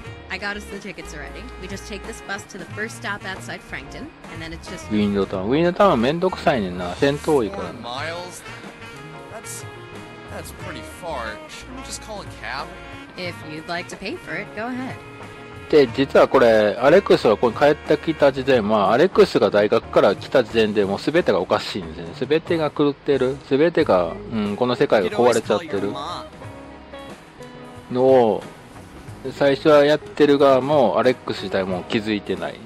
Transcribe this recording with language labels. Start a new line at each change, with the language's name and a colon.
English: I got us the tickets already. We just take this bus to the first stop outside Frankton, and then it's just.
Japanese: ウィンドタウン。ウィンドタウンめんどくさいねんな。戦闘多いからな。
English: Miles? That's pretty far. Shouldn't we just call a cab? If you'd like to pay for it, go ahead.
Japanese: で、実はこれ、アレックスがここに帰ってきた時点、まあ、アレックスが大学から来た時点でもう全てがおかしいんですね。全てが狂ってる。全てが、この世界が壊れちゃってる。のを、最初はやってるが、もうアレックス自体も気づいてない。